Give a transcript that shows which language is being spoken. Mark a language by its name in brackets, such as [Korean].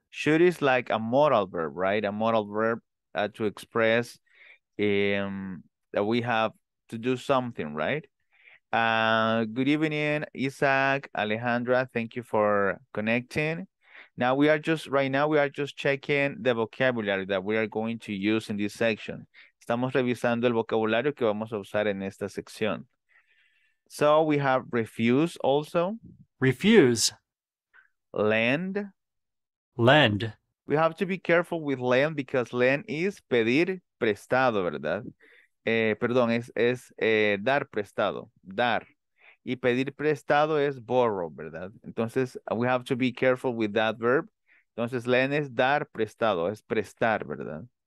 [English] Should is like a modal verb, right? A modal verb to express that we have to do something, right? Good evening, Isaac, Alejandra. Thank you for connecting. Now we are just, right now, we are just checking the vocabulary that we are going to use in this section. [Spanish] Estamos revisando el vocabulario que vamos a usar en esta sección. [English] So we have refuse also. Refuse. Lend. Lend. We have to be careful with lend because lend is pedir prestado, ¿verdad? [Spanish] Perdón, es dar prestado, dar. Y pedir prestado es borrow, ¿verdad? [English] Entonces, we have to be careful with that verb. [Spanish] Entonces, lend es dar prestado, es prestar, ¿verdad?